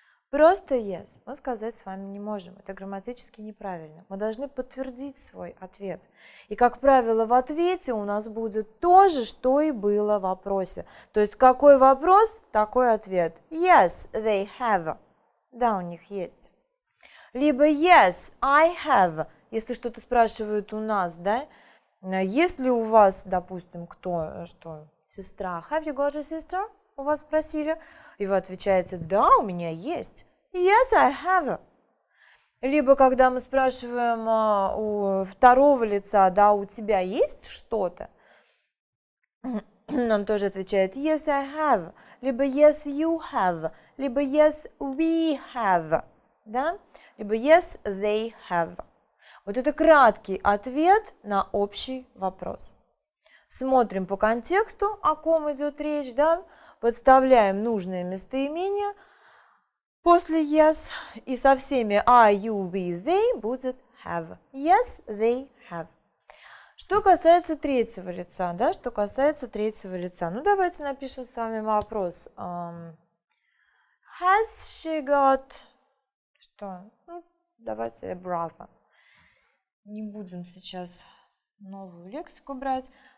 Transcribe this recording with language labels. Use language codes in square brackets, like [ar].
[ru] Просто yes мы сказать с вами не можем. Это грамматически неправильно. Мы должны подтвердить свой ответ. И, как правило, в ответе у нас будет то же, что и было в вопросе. То есть какой вопрос, такой ответ. [en] Yes, they have. [ru] Да, у них есть. Либо [en] yes, I have. [ru] Если что-то спрашивают у нас, да, если у вас, допустим, кто, что, сестра, [en] have you got a sister, [ru] у вас спросили, и вы отвечаете, да, у меня есть, [en] yes, I have. [ru] Либо когда мы спрашиваем у второго лица, да, у тебя есть что-то, нам тоже отвечает, [en] yes, I have, [ru] либо [en] yes, you have, [ru] либо [en] yes, we have, [ru] да, либо [en] yes, they have. [ru] Вот это краткий ответ на общий вопрос. Смотрим по контексту, о ком идет речь, да? Подставляем нужное местоимение после yes. И со всеми I, you, we, they будет have. [en] Yes, they have. [ru] Что касается третьего лица, да? Что касается третьего лица. Ну, давайте напишем с вами вопрос. [en] Has she got... [ru] Что? Ну, давайте brother. Не будем сейчас новую лексику брать.